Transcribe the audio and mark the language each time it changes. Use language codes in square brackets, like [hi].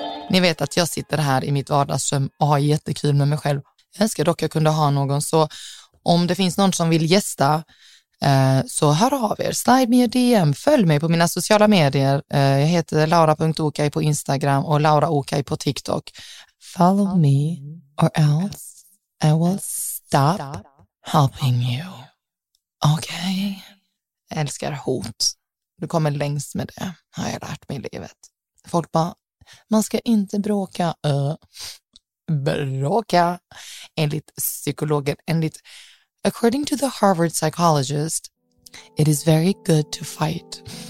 [sv] Ni vet att jag sitter här i mitt vardagsrum och har jättekul med mig själv. Jag önskar dock jag kunde ha någon, så om det finns någon som vill gästa, så hör av er. [en] Slide me a DM, [sv] följ mig på mina sociala medier. Jag heter laura.okay på Instagram och laura.okay på TikTok. [en] Follow me or else I will stop helping you. [sv] Okay? Jag älskar hot. Du kommer längst med det, har jag lärt mig i livet. Folk bara, man ska inte bråka. Bråka enligt psykologen, enligt [en] according to the Harvard psychologist, it is very good to fight.